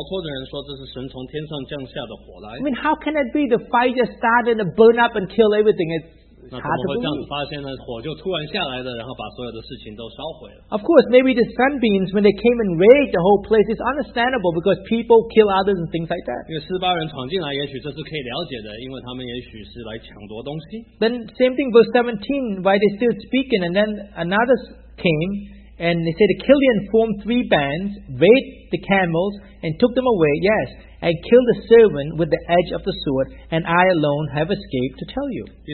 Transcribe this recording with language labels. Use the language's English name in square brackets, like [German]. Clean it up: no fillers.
[Chinese] 那如果我们没有智慧的话呢，我们可以看到这个后来逃脱的人说，这是神从天上降下的火来。 [English] I mean, how can it be the fire just started to burn up and kill everything? It's [Chinese] 那怎么会这样子发现呢？火就突然下来了，然后把所有的事情都烧毁了。 [English] Of course, maybe the sunbeams, when they came and raided the whole place, it's understandable because people kill others and things like that. [Chinese] 因为斯巴人闯进来，也许这是可以了解的，因为他们也许是来抢夺东西。 [English] Then same thing, verse 17, why they're still speaking, and then another came, and they said, the Killian formed three bands, raided the camels, and took them away, yes. And killed the servant with the edge of the sword, and I alone have escaped to tell you.